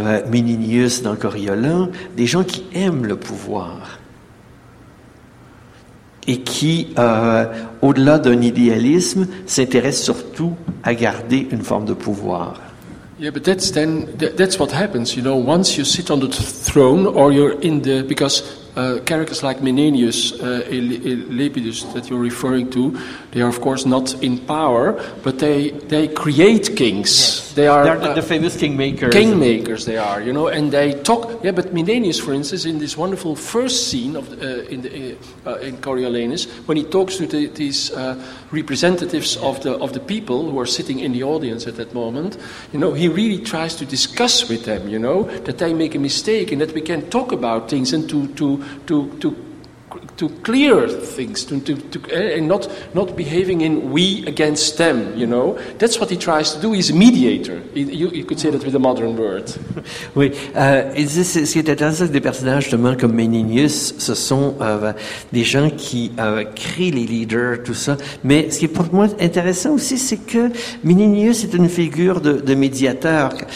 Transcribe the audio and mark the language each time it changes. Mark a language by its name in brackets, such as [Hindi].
[French] Mininius dans Coriolan, des gens qui aiment le pouvoir et qui, au-delà d'un idéalisme, s'intéressent surtout à garder une forme de pouvoir. [English] Yeah, but that's what happens, you know. Once you sit on the throne, or you're in the, because characters like Menenius, Lepidus that you're referring to, they are of course not in power, but they create kings. Yes. They are the famous kingmakers. Kingmakers they are, you know, and they talk. Yeah, but Menenius, for instance, in this wonderful first scene of in Coriolanus, when he talks to these representatives of the people who are sitting in the audience at that moment, you know, he really tries to discuss with them, you know, that they make a mistake and that we can talk about things and to clear things, and not behaving in we against them, you know. That's what he tries to do. He's a mediator. You could say that with a modern word. [French] Oui. Ce qui est intéressant, c'est que des personnages justement comme Menenius, ce sont des gens qui créent les leaders, tout ça. Mais ce qui est pour moi intéressant aussi, c'est que Menenius est une figure de médiateur.